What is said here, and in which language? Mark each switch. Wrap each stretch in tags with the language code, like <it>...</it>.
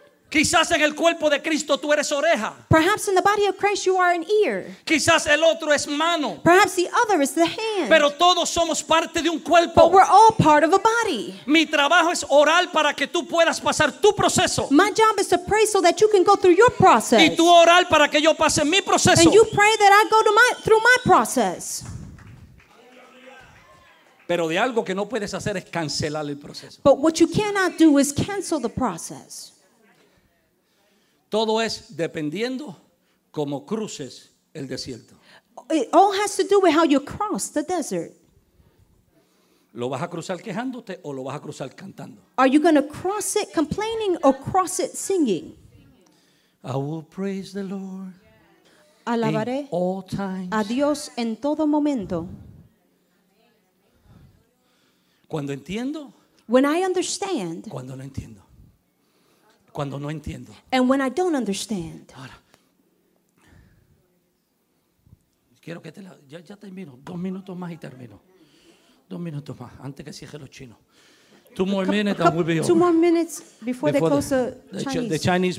<es>Quizás en el cuerpo de Cristo tú eres oreja.</es> <en>Perhaps in the body of Christ you are an ear.</en> <es>Quizás el otro es mano.</es> <en>Perhaps the other is the hand.</en> <es>Pero todos somos parte de un cuerpo.</es> <en>But we're all part of a body.</en> <es>Mi trabajo es orar para que tú puedas pasar tu proceso.</es> <en>My job is to pray so that you can go through your process.</en> <es>Y tú orar para que yo pase mi proceso.</es> <en>And you pray that I go through my process.</en> <es>Pero de algo que no puedes hacer es cancelar el proceso.</es> <en>But what you cannot do is cancel the process.</en> <es>Todo es dependiendo como cruces el desierto.</es> <en>It all has to do with how you cross the desert.</en> <es>¿Lo vas a cruzar quejándote o lo vas a cruzar cantando?</es> <en>Are you going to cross it complaining or cross it singing? I will praise the Lord.</en> <es>Alabaré</es> <en>in all times.</en> <es>A Dios en todo momento. Cuando entiendo.</es> <en>When I understand.</en> <es>Cuando no entiendo. Cuando no entiendo.</es> <en>And when I don't understand.</en> <es>Ahora, quiero que te la, ya termino. Dos minutos más y termino. Dos minutos más antes que cierre los chinos.</es> <en>Two more minutes before they close the Chinese</en>